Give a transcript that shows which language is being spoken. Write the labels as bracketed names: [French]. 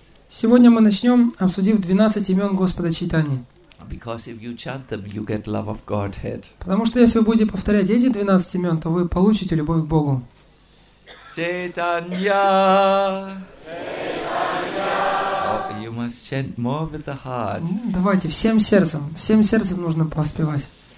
[Russian] Сегодня мы начнем, обсудив 12 имен Господа Чайтаньи. [English] Because if you chant them, you get love of Godhead. [Russian] Потому что если вы будете повторять эти 12 имен, то вы получите любовь к Богу. [English] Chaitanya. You must chant more with the heart. [Russian] Давайте всем сердцем нужно поспевать.